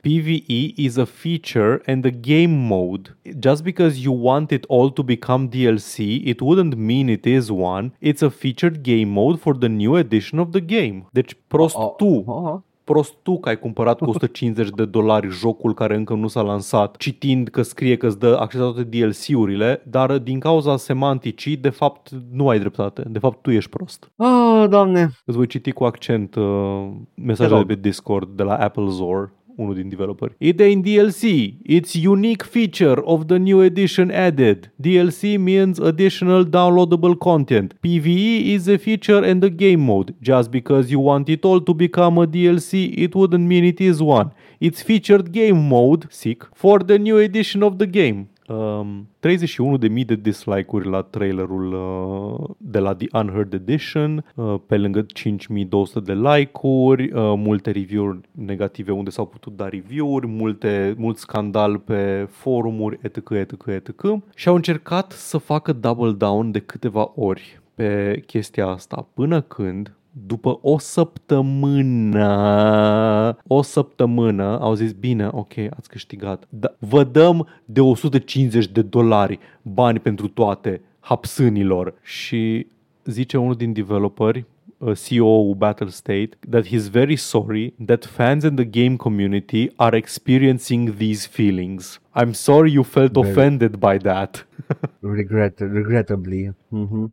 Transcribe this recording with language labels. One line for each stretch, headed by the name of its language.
English: PvE is a feature and a game mode. Just because you want it all to become DLC, it wouldn't mean it is one. It's a featured game mode for the new edition of the game.
Romanian: Deci, prost tu că ai cumpărat cu $150 jocul care încă nu s-a lansat, citind că scrie că îți dă acces la toate DLC-urile, dar din cauza semanticii, de fapt, nu ai dreptate. De fapt, tu ești prost. Ah, Doamne! Îți voi citi cu accent mesajele pe Discord de la AppleZor, unul din developeri. It ain't DLC. It's unique feature of the new edition added. DLC means additional downloadable content. PvE is a feature and a game mode. Just because you want it all to become a DLC, it wouldn't mean it is one. It's featured game mode, sick, for the new edition of the game. 31.000 de dislike-uri la trailerul de la The Unheard Edition, pe lângă 5.200 de like-uri, multe review-uri negative unde s-au putut da review-uri, mult scandal pe forumuri, etc., etc., etc. Și au încercat să facă double down de câteva ori pe chestia asta, până când, după o săptămână au zis, bine, ok, ați câștigat, dar vă dăm de $150 bani pentru toate hapsânilor. Și zice unul din developeri, CEO-ul Battlestate,
English: that he's very sorry that fans in the game community are experiencing these feelings. I'm sorry you felt offended by that. Regrettably. Mm-hmm.